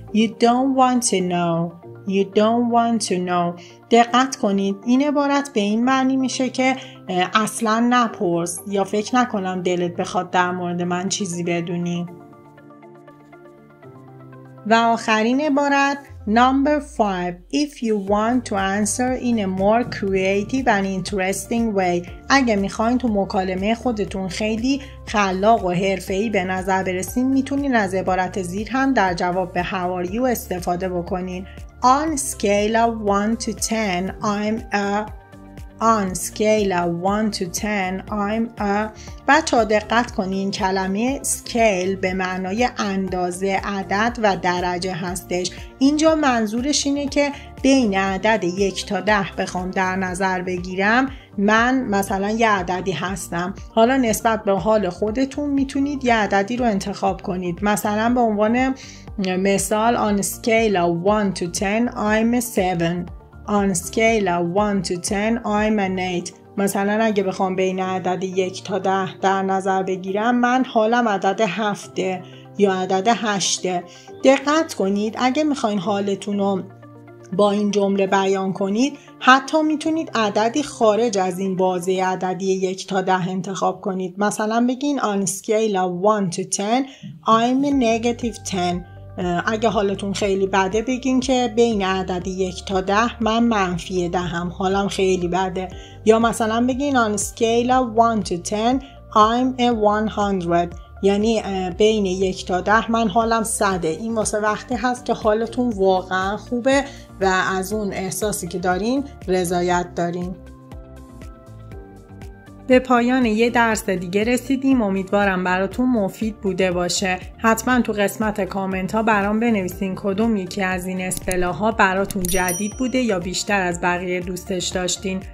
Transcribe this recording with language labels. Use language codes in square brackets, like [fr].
[en] You don't want to know. You don't want to know. [fa] دقت کنید، این عبارت به این معنی میشه که اصلا نپرس، یا فکر نکنم دلت بخواد در مورد من چیزی بدونی. و آخرین عبارت Number 5. [en] If you want to answer in a more creative and interesting way. [fa] اگه میخواین تو مکالمه خودتون خیلی خلاق و حرفه‌ای به نظر برسین، میتونین از عبارت زیر هم در جواب به [en] How are you [fa] استفاده بکنین. [en] On scale of 1 to 10, I'm a... On scale of 1 to 10, I'm a... [fa] بچه ها دقت کنین، کلمه scale به معنای اندازه، عدد و درجه هستش. اینجا منظورش اینه که بین عدد 1 تا 10 بخوام در نظر بگیرم، من مثلا یه عددی هستم. حالا نسبت به حال خودتون میتونید یه عددی رو انتخاب کنید. مثلا به عنوان مثال [en] On scale of 1 to 10, I'm a 7. On scale of 1 to 10, I'm an 8. [fa] مثلا اگه بخوام بین عدد 1 تا 10 در نظر بگیرم، من حالم عدد 7ه یا عدد 8ه. دقت کنید، اگه میخواین حالتون رو با این جمله بیان کنید، حتی میتونید عددی خارج از این بازه عددی 1 تا 10 انتخاب کنید. مثلا بگین [en] On scale of 1 to 10, I'm a negative 10. [fa] اگه حالتون خیلی بده بگین که بین عددی 1 تا 10 من منفی 10ام، حالم خیلی بده. یا مثلا بگین [en] On scale of 1 to 10 I'm a 100. [fa] یعنی بین 1 تا 10 من حالم 100ه. این واسه وقتی هست که حالتون واقعا خوبه و از اون احساسی که دارین رضایت دارین. به پایان یه درس دیگه رسیدیم، امیدوارم براتون مفید بوده باشه. حتما تو قسمت کامنت ها برام بنویسین کدوم یکی از این اصطلاح ها براتون جدید بوده یا بیشتر از بقیه دوستش داشتین.